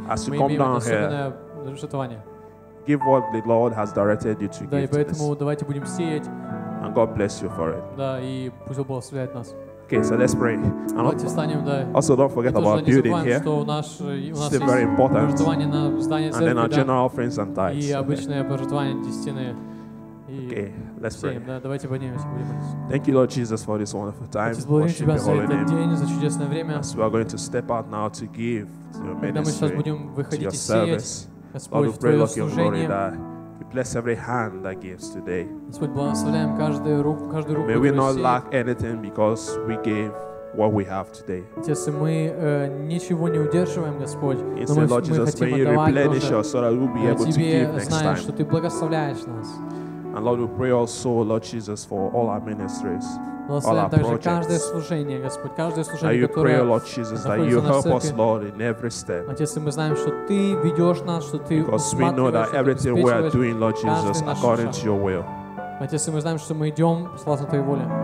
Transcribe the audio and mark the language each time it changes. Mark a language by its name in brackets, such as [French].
[English] As you come down here, give what the Lord has directed you to give. [Russian] Да, и поэтому давайте будем сеять. [English] And God bless you for it. [Russian] Да, и пусть Бог благословит нас. [English] Okay, so let's pray. [Russian] Давайте встанем, да. [English] Also, don't forget about building here. [Russian] Что у нас [English] still very important. [Russian] Пожертвование на здание церкви, [English] and then our general offerings and tithes. [Russian] И обычное пожертвование десятины. [English] Okay, let's pray. [Russian] Да, давайте поднимемся, будем молиться. [English] Thank you, Lord Jesus, for this wonderful time. [Russian] Благодарим Тебя за этот день, за чудесное время. [English] As we are going to step out now to give to your ministry, [Russian] мы сейчас будем выходить и сеять, Господь, в Твое служение. [English] Bless every hand that gives today. May we not lack anything because we gave what we have today. Instead, Lord Jesus, may you replenish us so that we'll be able to give next time. And Lord, we pray also, Lord Jesus, for all our ministries. [Russian] Благословляем также каждое служение, Господь, каждое служение, которое находится на церкви. Отец, мы знаем, что Ты ведешь нас, что Ты усматриваешь, что Ты обеспечиваешь каждый наш шаг. Отец, мы знаем, что мы идем согласно Твоей воле.